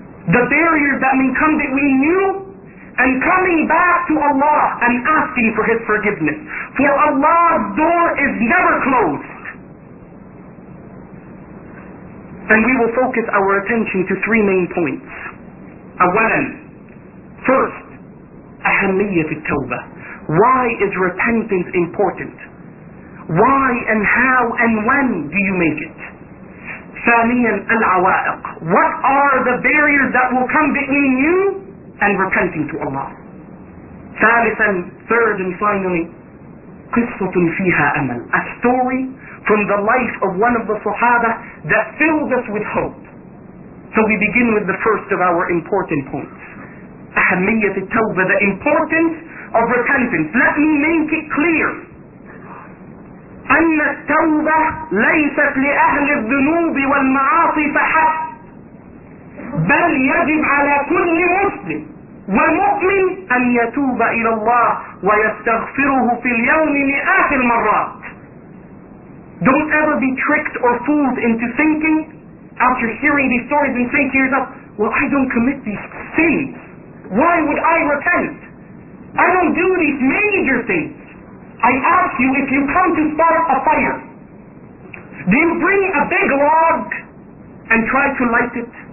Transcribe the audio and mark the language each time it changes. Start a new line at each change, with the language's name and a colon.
English: The barrier that may come between you and coming back to Allah and asking for His forgiveness. For Allah's door is never closed. And we will focus our attention to three main points.
Arabic: أولاً,
English: first,
Arabic: أهمية التوبة.
English: Why is repentance important? Why and how and when do you make it?
Arabic: ثانياً العوائق.
English: What are the barriers that will come between you and repenting to Allah?
Arabic: ثالثاً,
English: third and finally,
Arabic: قصة فيها أمل.
English: A story from the life of one of the Sahaba that fills us with hope. So we begin with the first of our important points.
Arabic: أهمية التوبة,
English: the importance of repentance. Let me make it clear.
Arabic: أن التوبة ليست لأهل الذنوب والمعاصي فحسب بل يجب على كل مسلم ومؤمن أن يتوب إلى الله ويستغفره في اليوم مئات المرات.
English: Don't ever be tricked or fooled into thinking after hearing these stories and saying to yourself, well, I don't commit these sins, why would I repent? I don't do these major things. I ask you, if you come to start a fire, do you bring a big log and try to light it?